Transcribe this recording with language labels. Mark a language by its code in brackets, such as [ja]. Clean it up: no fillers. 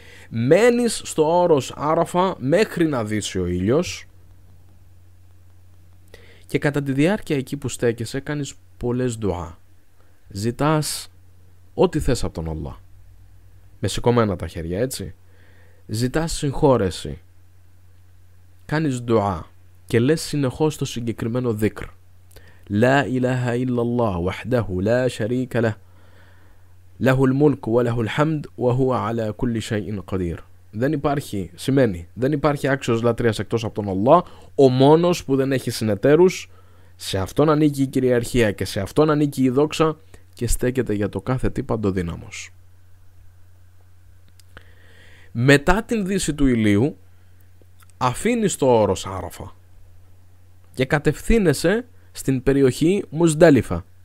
[el] Μένεις στο όρος Άραφα μέχρι να δύσει ο ήλιος και κατά τη διάρκεια εκεί που στέκεσαι κάνεις πολλές δουά. Ζητάς ό,τι θες από τον Αλλά. Με σηκωμένα τα χέρια, έτσι. Ζητάς συγχώρεση. Κάνεις δουά και λες συνεχώς το συγκεκριμένο δίκρ. [ar] La ilaha illallah wahdahu la sharika lah. له الملك وله الحمد وهو على كل شيء قدير. [el] Δεν υπάρχει, σημαίνει, δεν υπάρχει άξιος λατρείας εκτός από τον Αλλά, ο μόνος που δεν έχει συνεταίρους, σε αυτόν ανήκει η κυριαρχία και σε αυτόν ανήκει η δόξα και στέκεται για το κάθε τι παντοδύναμος. Μετά την δύση του ηλίου, αφήνεις το όρος Άραφα και κατευθύνεσαι στην περιοχή Μουζντάλιφα.